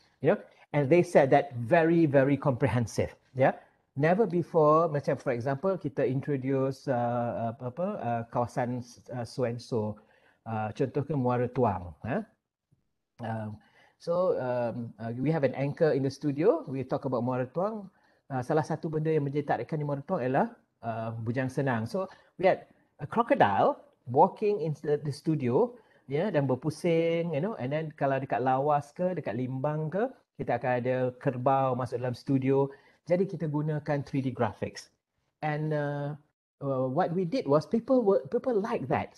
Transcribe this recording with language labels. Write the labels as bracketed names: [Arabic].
[English] You know, and they said that very, very comprehensive. Yeah, never before. Macam for example, kita introduce kawasan Suenso, contohnya Muara Tuang. Yeah? So we have an anchor in the studio. We talk about Muara Tuang. [Malay] Salah satu benda yang menjadi tarikan di Muara Tuang ialah Bujang Senang. [English] So we had a crocodile walking in the studio, yeah, [Malay] dan berpusing, [English] you know. And then [Malay] kalau dekat Lawas ke, dekat Limbang ke, kita akan ada kerbau masuk dalam studio. Jadi kita gunakan [English] 3D graphics. And what we did was people like that.